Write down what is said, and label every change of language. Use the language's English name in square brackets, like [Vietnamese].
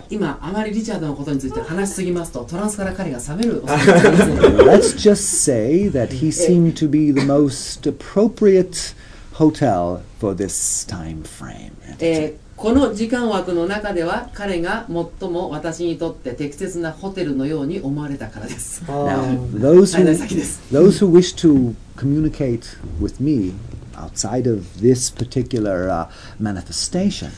[Japanese] 今あまりリチャードのことについて話しすぎますとトランスから彼が覚める。 [English] Let's just say that he seemed to be the most appropriate hotel for this time frame. [Japanese] この時間枠の中では彼が最も私にとって適切なホテルのように思われたからです。 [English] Those who wish to communicate with me outside of this particular manifestation.